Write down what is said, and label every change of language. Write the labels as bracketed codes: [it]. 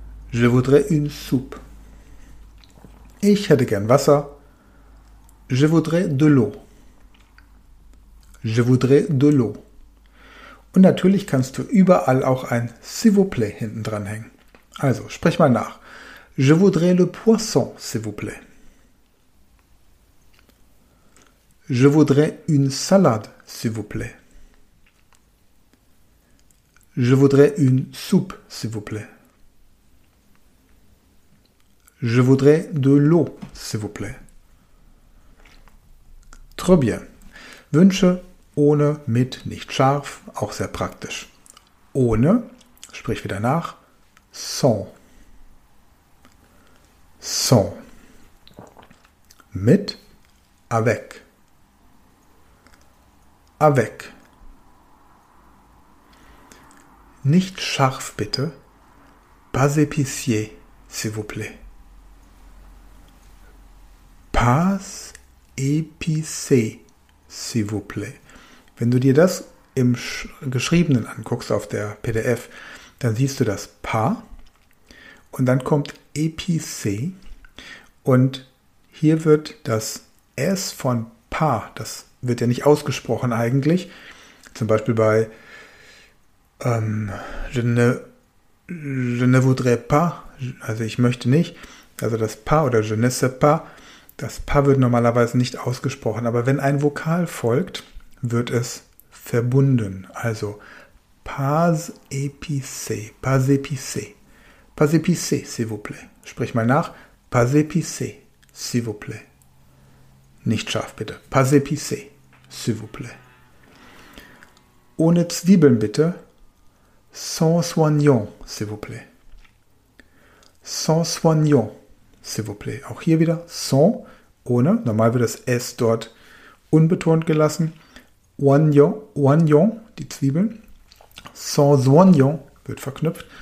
[fr] Je voudrais une soupe. [de] Ich hätte gern Wasser. [fr] Je voudrais de l'eau. Je voudrais de l'eau. [de] Und natürlich kannst du überall auch ein s'il vous plaît hinten dran hängen. Also, sprich mal nach. [fr] Je voudrais le poisson, s'il vous plaît. Je voudrais une salade, s'il vous plaît. Je voudrais une soupe, s'il vous plaît. Je voudrais de l'eau, s'il vous plaît. Très bien. [de] Wünsche ohne, mit, nicht scharf, auch sehr praktisch. Ohne, sprich wieder nach, sans. [fr] Sans. Mit, avec. Avec. [de] Nicht scharf, bitte. [fr] Pas épicier, s'il vous plaît. Pas épicé, s'il vous plaît. [de] Wenn du dir das im Geschriebenen anguckst auf der PDF, dann siehst du das pas und dann kommt épicé und hier wird das S von pas, das wird ja nicht ausgesprochen eigentlich, zum Beispiel bei [fr] je ne voudrais pas, [de] also ich möchte nicht, also das pas oder [fr] je ne sais pas, [de] das pas wird normalerweise nicht ausgesprochen, aber wenn ein Vokal folgt, wird es verbunden. [fr] Also pas épicé, pas épicé, pas épicé, s'il vous plaît. [de] Sprich mal nach, [fr] pas épicé, s'il vous plaît. [de] Nicht scharf, bitte. [fr] Pas épicé, s'il vous plaît. [de] Ohne Zwiebeln, bitte. [fr] Sans oignon, s'il vous plaît. Sans oignon, s'il vous plaît. [de] Auch hier wieder sans, ohne. Normal wird das S dort unbetont gelassen. Oignon, die Zwiebeln. Sans oignon wird verknüpft.